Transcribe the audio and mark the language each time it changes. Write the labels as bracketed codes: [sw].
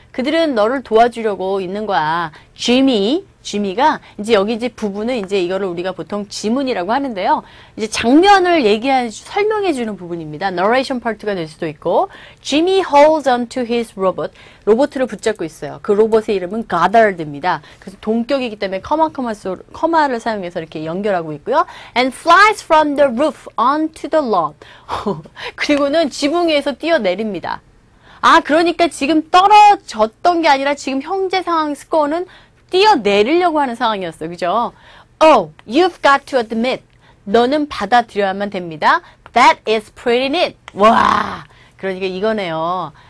[ko] 그들은 너를 도와주려고 있는 거야. Jimmy, Jimmy가, 이제 여기 이제 부분은 이제 이거를 우리가 보통 지문이라고 하는데요. 이제 장면을 설명해 주는 부분입니다. [en] Narration part가 [ko] 될 수도 있고. [en] Jimmy holds on to his robot. [ko] 로봇을 붙잡고 있어요. 그 로봇의 이름은 Goddard입니다. 그래서 동격이기 때문에 커마를 사용해서 이렇게 연결하고 있고요. [en] And flies from the roof onto the lawn. [ko] 그리고는 지붕 위에서 뛰어내립니다. 아, 그러니까 지금 떨어졌던 게 아니라 지금 현재 상황 스코어는 뛰어내리려고 하는 상황이었어요. 그죠? [en] Oh, you've got to admit. [ko] 너는 받아들여야만 됩니다. [en] That is pretty neat. [ko] 와, 그러니까 이거네요.